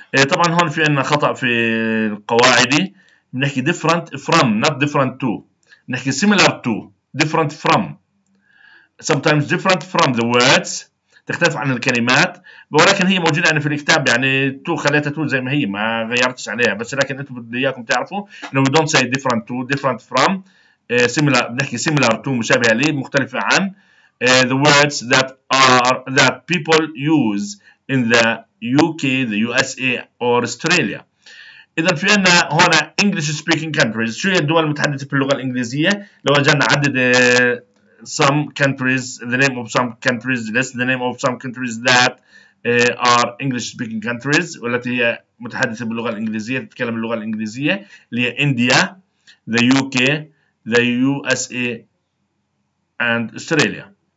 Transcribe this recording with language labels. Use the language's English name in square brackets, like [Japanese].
[Arabic] طبعا هون في عنا خطأ في القواعد، بنحكي [English] different from not different to، نحكي similar to، different from، sometimes different from the words، [Arabic] تختلف عن الكلمات. ولكن هي موجودة يعني في الكتاب، يعني to خليتها to زي ما هي، ما غيرتش عليها. بس لكن انتم بدي اياكم تعرفوا انه [English] we don't say different to، different from، similar، [Arabic] بنحكي [English] similar to، [Arabic] مشابهة لي، مختلفة عن. [English] The words that are that people use in the UK, the USA or Australia. [Arabic] إذا في عنا هنا [English] English speaking countries، [Arabic] شو هي الدول المتحدثة باللغة الإنجليزية؟ لو أجلنا عدد [English] some countries، the name of some countries، list the name of some countries that are English speaking countries، [Arabic] والتي هي متحدثة باللغة الإنجليزية، تتكلم اللغة الإنجليزية، اللي هي India، the UK، the USA and Australia.